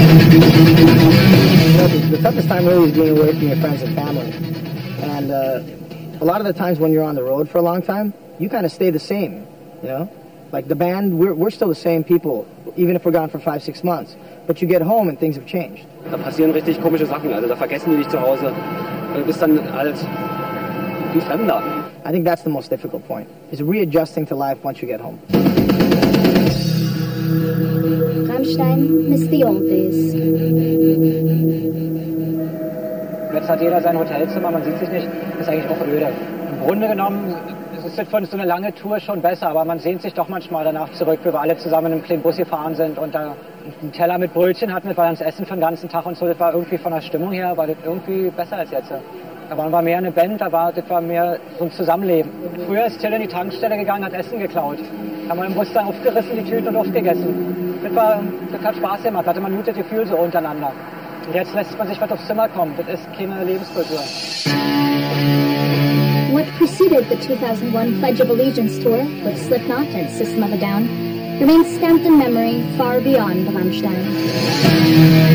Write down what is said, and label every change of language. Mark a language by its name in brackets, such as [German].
[English] The toughest time really is being away from your friends and family. And a lot of the times when you're on the road for a long time, you kind of stay the same, you know? Like the band, we're still the same people, even if we're gone for 5-6 months. But you get home and things have changed. [German] Da passieren richtig komische Sachen, also da vergessen die dich zu Hause. Du bist dann halt wie Fremder. [English] I think that's the most difficult point, is readjusting to life once you get home. Rammstein miss the old days. [German] Jetzt hat jeder sein Hotelzimmer, man sieht sich nicht, das ist eigentlich auch öde. Im Grunde genommen ist es für so eine lange Tour schon besser, aber man sehnt sich doch manchmal danach zurück, wie wir alle zusammen im kleinen Bus gefahren sind und da einen Teller mit Brötchen hatten, weil wir uns essen für den ganzen Tag und so. Das war irgendwie von der Stimmung her, war das irgendwie besser als jetzt. Da waren wir mehr eine Band, da war das war mehr so ein Zusammenleben. Früher ist Till in die Tankstelle gegangen, hat Essen geklaut. haben wir im Rüster aufgerissen, die Tüten und aufgegessen. Das hat Spaß gemacht, da hatte man ein gutes Gefühl so untereinander. Und jetzt lässt man sich was aufs Zimmer kommen, das ist keine Lebenskultur. [English] What preceded the 2001 Pledge of Allegiance tour with Slipknot and System of a Down remains stamped in memory far beyond Rammstein.